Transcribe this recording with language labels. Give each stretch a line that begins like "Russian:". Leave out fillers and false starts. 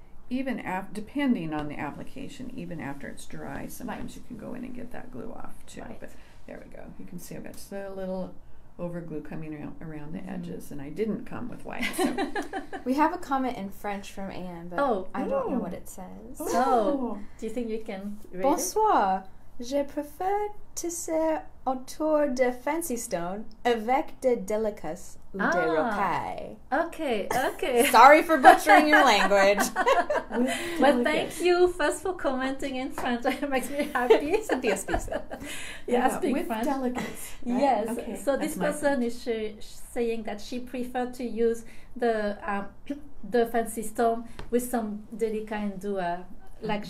English: Even depending on the application, even after it's dry, sometimes you can go in and get that glue off too. Right. But there we go. You can see I've got just a little over glue coming around the edges, and I didn't come with white. So. We have a comment in French from Anne, but I don't know what it says. Oh, so, do you think you can read
French: Bonsoir.
English: It?
French: Je préfère tisser autour de fancy stone avec de délicats ou de rocaille.
English: Okay. Sorry for butchering your language. But thank you first for commenting in French. It makes me happy. Cynthia speaks it. Yeah, speak with French. With delicates. Right? Yes. Okay. So that's this person is saying that she preferred to use the the fancy stone with some delicate and do a like